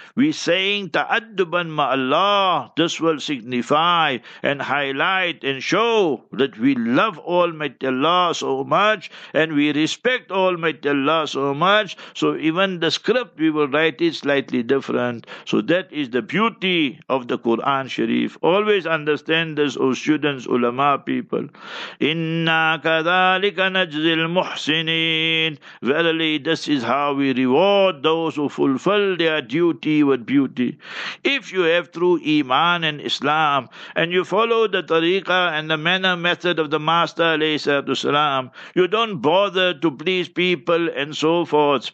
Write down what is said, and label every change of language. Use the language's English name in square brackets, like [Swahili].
[English] We're saying [Arabic] ta'adduban ma'Allah, [English] this will signify and highlight and show that we love Almighty Allah so much and we respect Almighty Allah so much. So even the script we will write is slightly different. So that is the beauty of the Quran Sharif. Always understand this, O students, ulama people. [Arabic] Inna ka ذَلِكَ نَجْزِي الْمُحْسِنِينَ. [English] Verily, this is how we reward those who fulfill their duty with beauty. If you have true Iman and Islam, and you follow the tariqah and the manner method of the Master, alayhi salatu salam, you don't bother to please people and so forth.